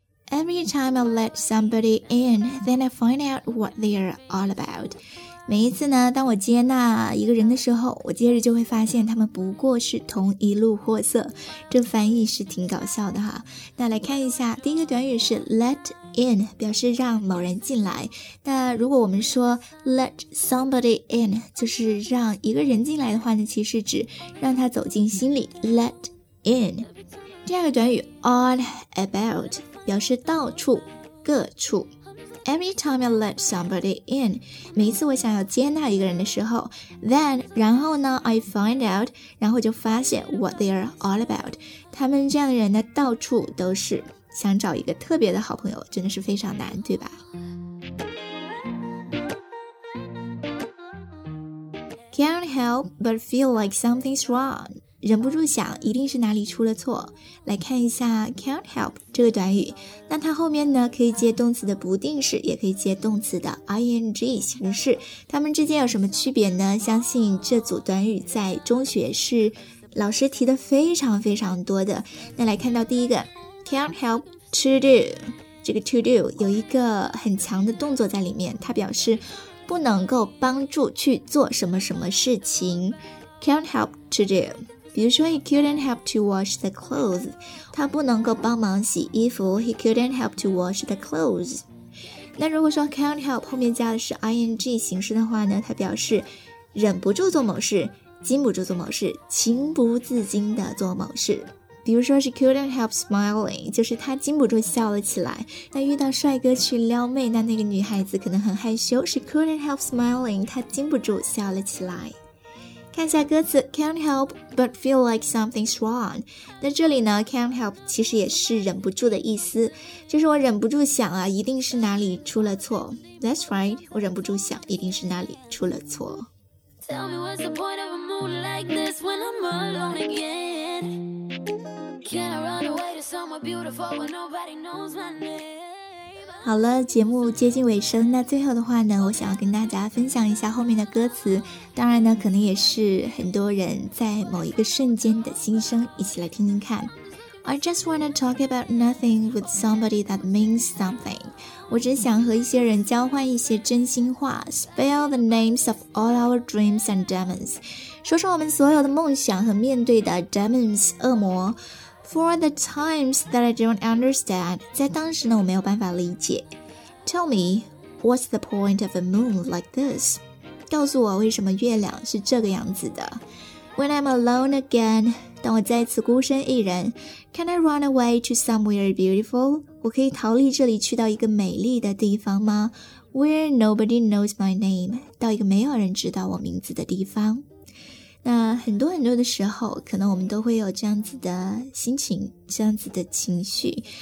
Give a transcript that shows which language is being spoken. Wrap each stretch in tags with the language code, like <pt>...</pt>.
<en>Every time I let somebody in, then I find out what they are all about.</en> <zh>每一次呢，当我接纳一个人的时候，我接着就会发现他们不过是同一路货色。这翻译是挺搞笑的哈。那来看一下，第一个短语是 let in, 表示让某人进来。那如果我们说 let somebody in, 就是让一个人进来的话呢，其实指让他走进心里。 Let in, 第二个短语 all about, 表示到处各处。</zh> <en>Every time I let somebody in,</en> <zh>每一次我想要接纳一个人的时候，</zh> <en>then,</en> <zh>然后呢，</zh> <en>I find out,</en> <zh>然后就发现</zh> <en>what they are all about.</en> <zh>他们这样的人呢，到处都是，想找一个特别的好朋友，真的是非常难，对吧？</zh> <en>Can't help but feel like something's wrong.</en> <zh>忍不住想一定是哪里出了错。来看一下 can't help 这个短语，那它后面呢可以接动词的不定式，也可以接动词的 ing 形式，它们之间有什么区别呢？相信这组短语在中学是老师提的非常非常多的。那来看到第一个 can't help to do, 这个 to do 有一个很强的动作在里面，它表示不能够帮助去做什么什么事情， can't help to do。</zh> <en>比如说 he couldn't help to wash the clothes，</en> <zh>他不能够帮忙洗衣服，</zh> <en>he couldn't help to wash the clothes。</en> <zh>那如果说 can't help 后面加的是 ing 形式的话呢，它表示忍不住做某事，禁不住做某事，情不自禁的做某事。比如说是</zh> <en>couldn't help smiling，</en> <zh>就是他禁不住笑了起来，那遇到帅哥去撩妹，那那个女孩子可能很害羞，是 couldn't help smiling， 他禁不住笑了起来。看一下歌词</zh> <en>can't help but feel like something's wrong，</en> <zh>那这里呢 can't help 其实也是忍不住的意思，就是我忍不住想啊，一定是哪里出了错。</zh> <en>That's right，</en> <zh>我忍不住想一定是哪里出了错。</zh> <en>Tell me what's the point of a mood like this when I'm alone again， can I run away to somewhere beautiful when nobody knows my name。</en> <zh>好了，节目接近尾声，那最后的话呢，我想要跟大家分享一下后面的歌词，当然呢可能也是很多人在某一个瞬间的心声，一起来听听看。</zh> <en>I just wanna talk about nothing with somebody that means something，</en> <zh>我只想和一些人交换一些真心话。</zh> <en>Spell the names of all our dreams and demons，</en> <zh>说说我们所有的梦想和面对的</zh> <en>demons 恶魔。 For the times that I don't understand，</en> <zh>在当时呢我没有办法理解。</zh> <en>Tell me what's the point of a moon like this，</en> <zh>告诉我为什么月亮是这个样子的。</zh> <en>When I'm alone again，</en> <zh>当我再次孤身一人。</zh> <en>Can I run away to somewhere beautiful，</en> <zh>我可以逃离这里去到一个美丽的地方吗？</zh> <en>Where nobody knows my name，</en> <zh>到一个没有人知道我名字的地方。那很多很多的时候，可能我们都会有这样子的心情，这样子的情绪。</zh>